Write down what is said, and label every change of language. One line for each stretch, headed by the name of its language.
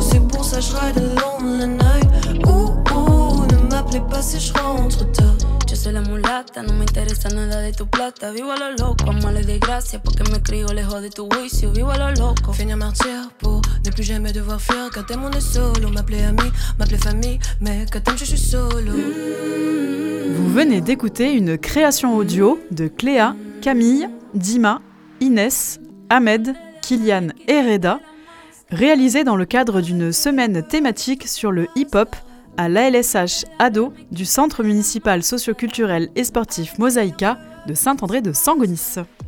French: C'est pour ça je
English: ride alone
French: la night. Ne m'appelez pas si je rentre tard.
Spanish: Soy la mulata, no me interesa nada de tu plata. Vivo a lo loco, amo la desgracia. Porque me crio lejos de tu juicio. Vivo a lo loco.
French: Fini martyr pour ne plus jamais devoir fuir. Quand t'es mon solo, m'appeler ami, m'appeler famille. Mais quand t'aimes, je suis solo. Vous venez d'écouter une création audio de Cléa, Camille, Dima, Inès, Ahmed, Kylian et Reda, réalisée dans le cadre d'une semaine thématique sur le hip-hop à l'ALSH ADO du Centre Municipal Socioculturel et Sportif Mosaïka de Saint-André de Sangonis.